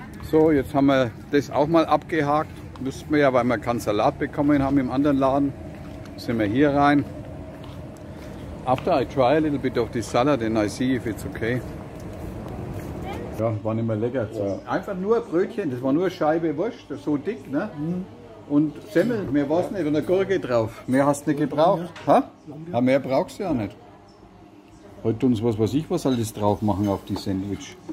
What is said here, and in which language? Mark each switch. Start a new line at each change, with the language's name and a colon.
German: So, jetzt haben wir das auch mal abgehakt. Müssten wir ja, weil wir keinen Salat bekommen haben im anderen Laden. Sind wir hier rein.
English: After I try a little bit of this salad, then I see if it's okay.
German: Ja, war nicht mehr lecker. Ja. Einfach nur ein Brötchen, das war nur eine Scheibe Wurst, so dick, ne? Und Semmel, mehr war es nicht, und eine Gurke drauf. Mehr hast du nicht gebraucht. Ha? Ja, mehr brauchst du ja nicht. Heute tun sie was weiß ich, was alles drauf machen auf die Sandwich.